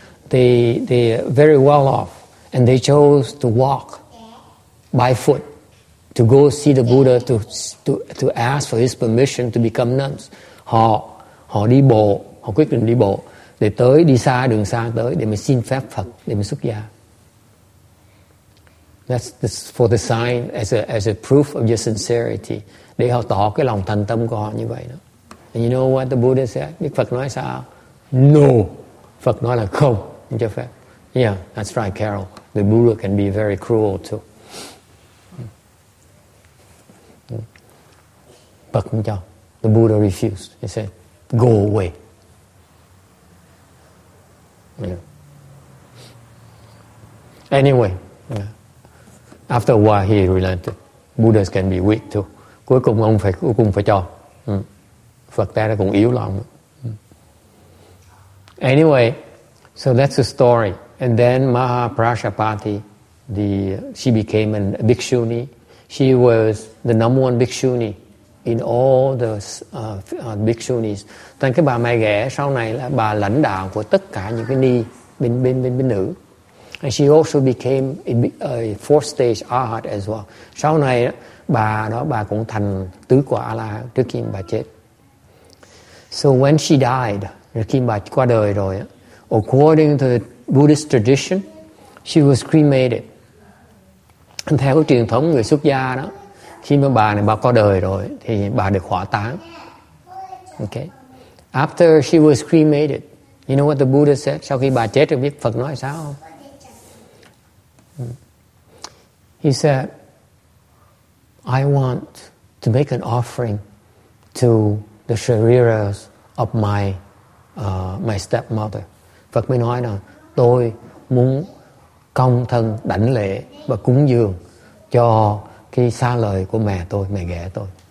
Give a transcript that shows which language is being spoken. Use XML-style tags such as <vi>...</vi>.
<en>They are very well off, and they chose to walk by foot to go see the Buddha to ask for his permission to become nuns.</en> <vi>Họ đi bộ, họ quyết định đi bộ để tới, đi xa, đường xa tới để mà xin phép Phật để mà xuất gia.</vi> <en>That's for the sign, as a proof of your sincerity.</en> <vi>Để họ tỏ cái lòng thành tâm của họ như vậy đó.</vi> <en>And you know what the Buddha said?</en> <vi>Biết Phật nói sao?</vi> <en>No.</en> <vi>Phật nói là không, không cho phép.</vi> <en>Yeah, that's right, Carol. The Buddha can be very cruel too.</en> <vi>Phật không cho.</vi> <en>The Buddha refused. He said, go away. Yeah. Anyway, yeah. After a while, he relented. Buddhas can be weak too.</en> <vi>Cuối cùng ông phải cho. Phật ta đã cũng yếu lòng.</vi> <en>Anyway, so that's the story. And then Mahaprasapati, she became a bhikshuni. She was the number one bhikshuni in all the bhikshunis.</en> <vi>Thành cái bà mẹ ghẻ sau này là bà lãnh đạo của tất cả những cái ni bên nữ.</vi> <en>And she also became a fourth stage arhat as well.</en> <vi>Sau này bà cũng thành tứ quả a-la-hán trước khi bà chết.</vi> <en>So when she died,</en> <vi>khi bà qua đời rồi,</vi> <en>according to Buddhist tradition, she was cremated.</en> <vi>And theo truyền thống người xuất gia đó, khi mà bà này bà qua đời rồi thì bà được hỏa táng.</vi> <en>Okay. After she was cremated, you know what the Buddha said?</en> <vi>Sau khi bà chết rồi, biết Phật nói sao không?</vi> <en>He said, I want to make an offering to the shariras of my stepmother.</en> <vi>Phật mới nói là tôi muốn công thân đảnh lễ và cúng dường cho cái xa lời của mẹ tôi, mẹ ghẻ tôi.</vi>